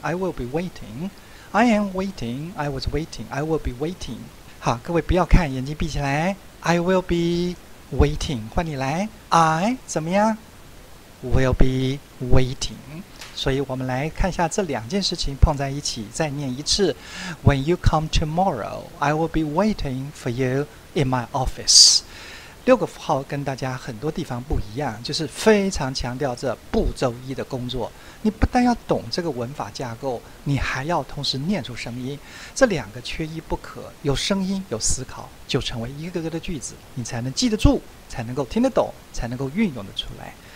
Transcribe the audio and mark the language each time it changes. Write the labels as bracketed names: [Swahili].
[English] I will be waiting. I am waiting. I was waiting. I will be waiting. [Chinese] 好，各位不要看，眼睛闭起来。 [English] I will be waiting. [Chinese] 换你来。 [English] I [Chinese] 怎么样 [English] ？Will be waiting. [Chinese] 所以我们来看一下这两件事情碰在一起，再念一次。 [English] When you come tomorrow, I will be waiting for you in my office. [Chinese] 六个符号跟大家很多地方不一样，就是非常强调这步骤一的工作。你不但要懂这个文法架构，你还要同时念出声音，这两个缺一不可。有声音，有思考，就成为一个个的句子，你才能记得住，才能够听得懂，才能够运用得出来。